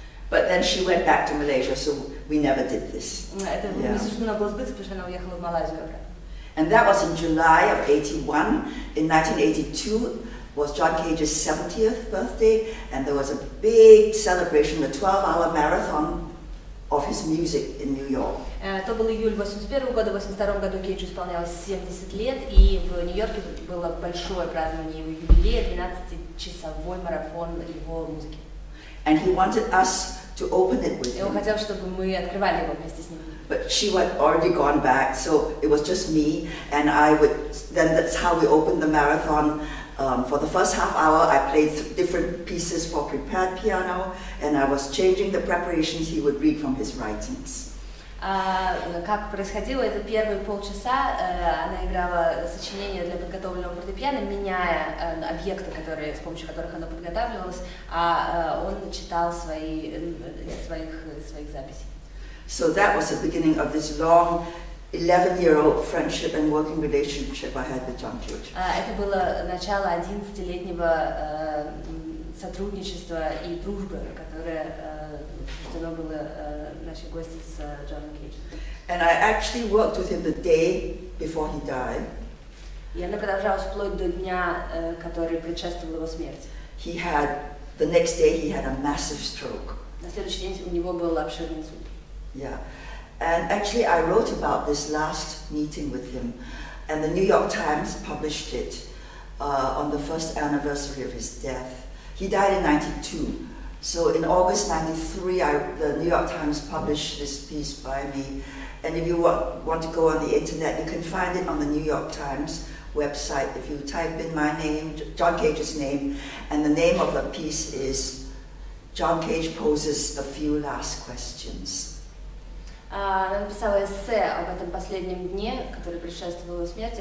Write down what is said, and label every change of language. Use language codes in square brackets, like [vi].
[en] But then she went back to Malaysia, so we never did this. [ru] Это не суждено было сбыться, потому что она уехала в Малайзию обратно. [en] And that was in July of 81. In 1982 was John Cage's 70th birthday, and there was a big celebration, a 12-hour marathon of his music in New York. [ru] То был июль 81 года, в 82 году Кейджу исполнялось 70 лет, и в Нью-Йорке было большое празднование его юбилея, 12-часовой марафон его музыки. [en] And he wanted us to open it with him. [ru] И он хотел, чтобы мы открывали его вместе с ним. [en] But she had already gone back, so it was just me, and I would, then that's how we opened the marathon. For the first half hour, I played different pieces for prepared piano, and I was changing the preparations he would read from his writings. [ru] Как происходило, это первые полчаса она играла сочинения для подготовленного фортепиано, меняя объекты, с помощью которых она подготавливалась, а он читал своих записей. [en] So that was the beginning of this long 11-year-old friendship and working relationship I had with John Cage. [ru] Это было начало 11-летнего сотрудничество и дружбы, которое суждено было нашей гости с Джоном Кейджем. [en] And I actually worked with him the day before he died. [ru] И она продолжалась вплоть до дня, который предшествовал его смерти. [en] He had, the next day he had a massive stroke. [ru] На следующий день у него был обширный инсульт. [en] Yeah. And actually I wrote about this last meeting with him, and the New York Times published it on the first anniversary of his death. He died in 92. So in August 93, the New York Times published this piece by me. And if you want to go on the internet, you can find it on the New York Times website. If you type in my name, John Cage's name, and the name of the piece is John Cage Poses a Few Last Questions. [ru] Она написала эссе об этом последнем дне, который предшествовал его смерти.